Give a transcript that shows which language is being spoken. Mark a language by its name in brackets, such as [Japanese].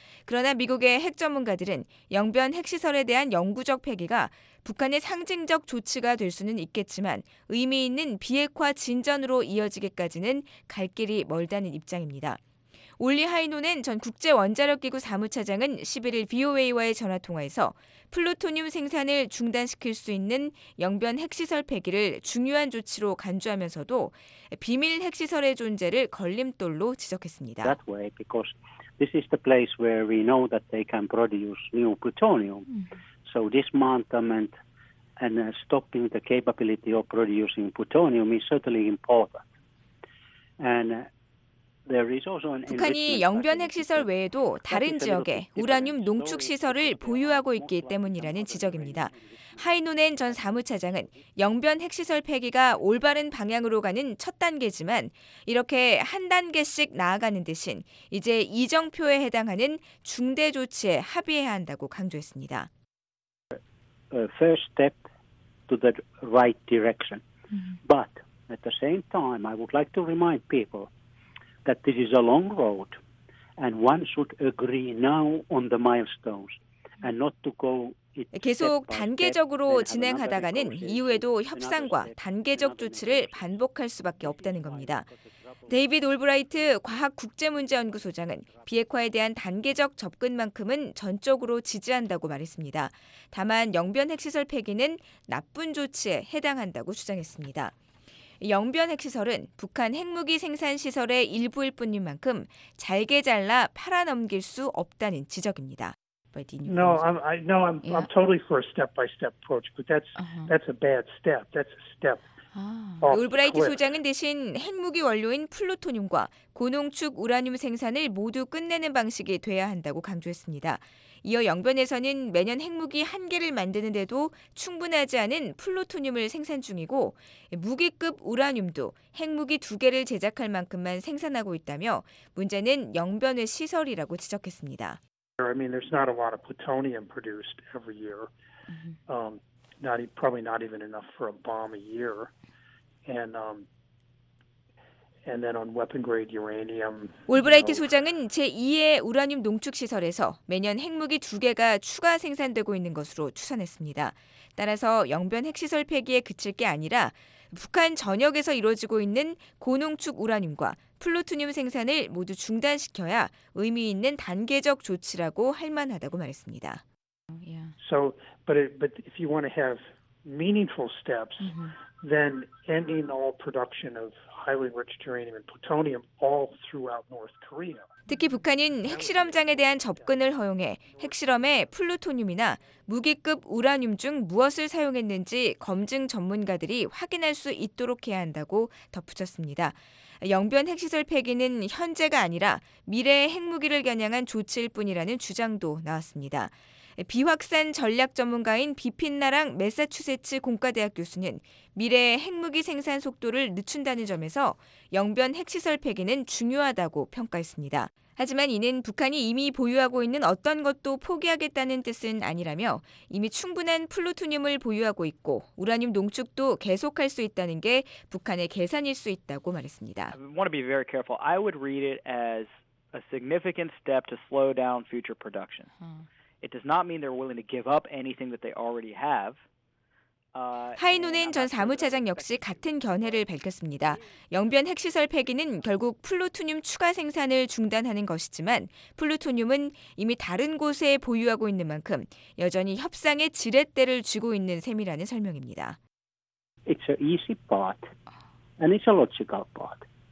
[Korean] 그러나 미국의 핵 전문가들은 영변 핵시설에 대한 영구적 폐기가 북한의 상징적 조치가 될 수는 있겠지만 의미 있는 비핵화 진전으로 이어지기까지는 갈 길이 멀다는 입장입니다. 올리 하이노넨 전 국제원자력기구 사무차장은 11일 VOA와의 전화통화에서 플루토늄 생산을 중단시킬 수 있는 영변 핵시설 폐기를 중요한 조치로 간주하면서도 비밀 핵시설의 존재를 걸림돌로 지적했습니다. [English] That way, because this is the place where we know that they can produce new plutonium. So dismantlement and stopping the capability of producing plutonium is certainly important. And [Korean] 북한이 영변 핵시설 외에도 다른 지역에 우라늄 농축 시설을 보유하고 있기 때문이라는 지적입니다. 하이노넨 전 사무차장은 영변 핵시설 폐기가 올바른 방향으로 가는 첫 단계지만 이렇게 한 단계씩 나아가는 대신 이제 이정표에 해당하는 중대 조치에 합의해야 한다고 강조했습니다. [English] First step to the right direction. But at the same time, I would like to remind people that this is a long road and one should agree now on the milestones and not to go [Korean] 계속 단계적으로 진행하다가는 이후에도 협상과 단계적 조치를 반복할 수밖에 없다는 겁니다. 데이빗 올브라이트 과학국제문제연구소장은 비핵화에 대한 단계적 접근만큼은 전적으로 지지한다고 말했습니다. 다만 영변 핵시설 폐기는 나쁜 조치에 해당한다고 주장했습니다. 영변 핵시설은 북한 핵무기 생산 시설의 일부일 뿐인 만큼 잘게 잘라 팔아넘길 수 없다는 지적입니다. [English] already in No, I'm totally for a step-by-step approach, but that's that's a bad step. That's a step. [Korean] 올브라이트 소장은 대신 핵무기 원료인 플루토늄과 고농축 우라늄 생산을 모두 끝내는 방식이 돼야 한다고 강조했습니다. 이어 영변에서는 매년 핵무기 한 개를 만드는데도 충분하지 않은 플루토늄을 생산 중이고 무기급 우라늄도 핵무기 두 개를 제작할 만큼만 생산하고 있다며 문제는 영변의 시설이라고 지적했습니다. [English] I mean, there's not a lot of plutonium produced every year. Not probably not even enough for a bomb a year, and then on weapon grade uranium. [Korean] 올브라이트 소장은 제2의 우라늄 농축 시설에서 매년 핵무기 두 개가 추가 생산되고 있는 것으로 추산했습니다. 따라서 영변 핵시설 폐기에 그칠 게 아니라 북한 전역에서 이루어지고 있는 고농축 우라늄과 플루토늄 생산을 모두 중단시켜야 의미 있는 단계적 조치라고 할 만하다고 말했습니다. [English] So, but if you want to have meaningful steps, then ending all production of highly enriched uranium and plutonium all throughout North Korea. [Korean] 특히 북한은 핵실험장에 대한 접근을 허용해 핵실험에 플루토늄이나 무기급 우라늄 중 무엇을 사용했는지 검증 전문가들이 확인할 수 있도록 해야 한다고 덧붙였습니다. 영변 핵시설 폐기는 현재가 아니라 미래의 핵무기를 겨냥한 조치일 뿐이라는 주장도 나왔습니다. 비확산 전략 전문가인 비핀 나랑 매사추세츠 공과대학 교수는 미래의 핵무기 생산 속도를 늦춘다는 점에서 영변 핵시설 폐기는 중요하다고 평가했습니다. 하지만 이는 북한이 이미 보유하고 있는 어떤 것도 포기하겠다는 뜻은 아니라며 이미 충분한 플루토늄을 보유하고 있고 우라늄 농축도 계속할 수 있다는 게 북한의 계산일 수 있다고 말했습니다. [English] I want to be very careful. I would read it as a significant step to slow down future production. It does not mean they're willing to give up anything that they already have. [Korean] 하이노넨 전 사무차장 역시 같은 견해를 밝혔습니다. 영변 핵시설 폐기는 결국 플루토늄 추가 생산을 중단하는 것이지만 플루토늄은 이미 다른 곳에 보유하고 있는 만큼 여전히 협상의 지렛대를 쥐고 있는 셈이라는 설명입니다. [English] It's an easy part and it's a logical part.